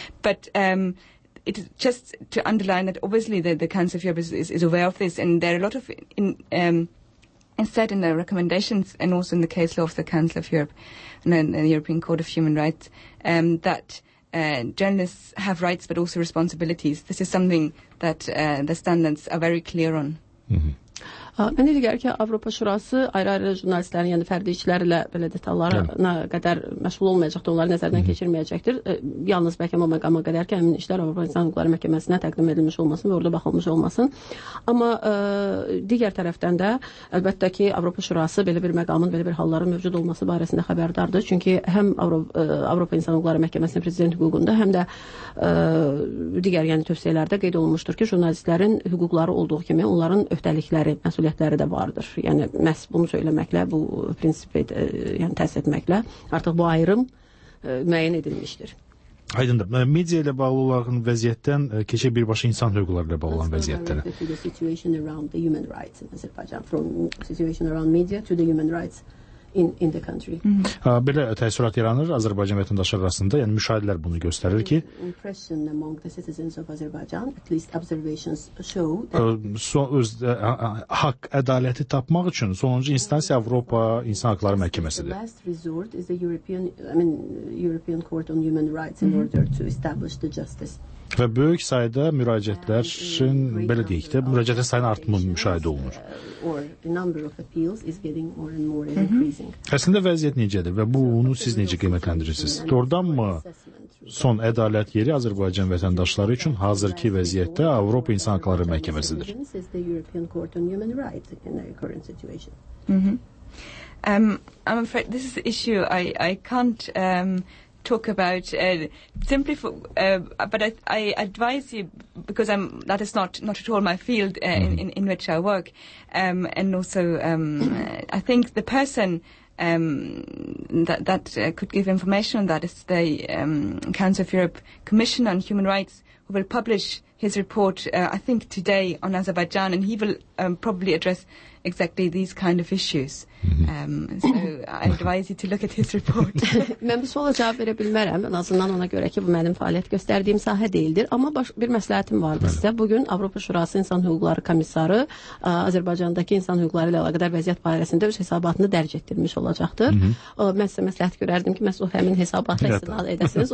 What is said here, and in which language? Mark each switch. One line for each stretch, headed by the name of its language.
English: But it is just to underline that obviously the Council of Europe is aware of this, and there are a lot of... As said in the recommendations and also in the case law of the Council of Europe and then the European Court of Human Rights, that journalists have rights but also responsibilities. This is something that the standards are very clear on. Mm-hmm.
Azerbaijani: Mən deyirəm ki, Avropa Şurası ayrı-ayrı jurnalistlərin, yəni fərdi işçilərlə belə detallarına yeah. qədər məşğul olmayacaqdır, onları nəzərdən mm-hmm. keçirməyəcəkdir. Yalnız bəlkə o məqama qədər ki, həmin işlər Avropa İnsan Hüquqları Məhkəməsinə təqdim edilmiş olmasın və orada baxılmış olmasın. Amma digər tərəfdən də əlbəttə ki, Avropa Şurası belə bir məqamın, belə bir halların mövcud olması barəsində xəbərdardır. Çünki həm Avropa İnsan Hüquqları Məhkəməsinin prezident hüququnda, həm də digər yəni tövsiyələrdə qeyd olunmuşdur ki, jurnalistlərin hüquqları olduğu kimi onların öhdəlikləri, məsul məsuliyyətləri də vardır. Yəni məhz bunu söyləməklə, bu prinsipi yəni təsdiq etməklə artıq bu ayrım müəyyən edilmişdir. Aydındır. Media ilə bağlı olan vəziyyətdən keçə birbaşa insan hüquqları ilə bağlı olan vəziyyətlərə.
English: Situation around the human rights in Azerbaijan, from situation around media to the human rights in the country.
Azerbaijani: Belə təsirat yaranır Azərbaycan vətəndaşları arasında, yəni müşahidələr bunu göstərir ki,
English: impression among the citizens of Azerbaijan, at least observations show that
Azerbaijani: haqq ədaləti tapmaq üçün sonuncu instansiya Avropa İnsan Hüquqları Məhkəməsidir.
English: The last resort is the European Court on Human Rights in order to establish the justice.
Azerbaijani: Və böyük sayda müraciətlərin, belə deyək də, müraciətə sayın artımı müşahidə olunur. Əslində vəziyyət necədir və bunu siz necə qiymətləndirirsiniz? Doğrudan mı son ədalət yeri Azərbaycan vətəndaşları üçün hazırki vəziyyətdə Avropa İnsan Hüquqları Məhkəməsidir?
English: I'm afraid this is an issue I can't talk about simply for but I advise you, because I'm that is not at all my field in which I work, and also I think the person that could give information on that is the Council of Europe Commission on Human Rights, who will publish his report I think today on Azerbaijan, and he will probably address exactly these kind of issues. So I advise you to look at his report.
Azerbaijani: Mən bu suala cavab verə bilmərəm. Ən azından ona görə ki, bu mənim fəaliyyət göstərdiyim sahə deyildir. Amma bir məsləhətim vardır sizə. Bugün Avropa Şurası İnsan Hüquqları Komissarı Azərbaycandakı insan hüquqları ilə əlaqədar vəziyyət barəsində öz hesabatını dərc etdirmiş olacaqdır. Mən sizə məsləhət görərdim ki, məhz o həmin hesabatı istinad edəsiniz.